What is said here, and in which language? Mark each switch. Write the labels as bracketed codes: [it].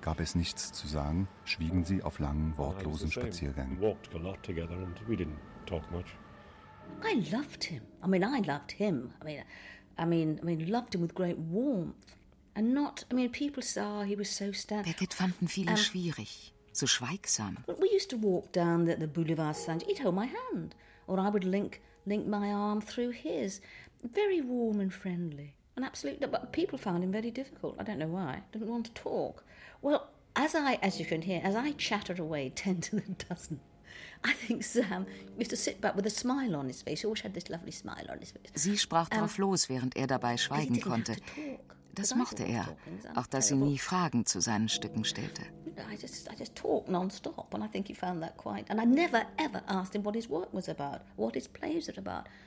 [de] Gab es nichts zu sagen, schwiegen sie auf langen, wortlosen Spaziergängen. [en] We walked a lot together and we didn't talk much. I loved him. I loved him. I mean, loved him with great warmth. And not, I mean, people saw he was so stern. [de] Beckett fanden viele schwierig, so schweigsam. [en] We used to walk down the Boulevard Saint. He'd hold my hand. Or I would link my arm through his. Very warm and friendly, and absolutely. But people found him very difficult. I don't know why. Didn't want to talk. Well, as you can hear, as I chattered away 10 to the dozen, I think Sam used to sit back with a smile on his face. He always had this lovely smile on his face. [de] Sie sprach drauf los, während er dabei schweigen konnte. Das mochte er, auch dass sie nie Fragen zu seinen Stücken stellte. [en] I just talk nonstop, and I think he found that quite. And I never ever asked him what his work was about, what his plays are about.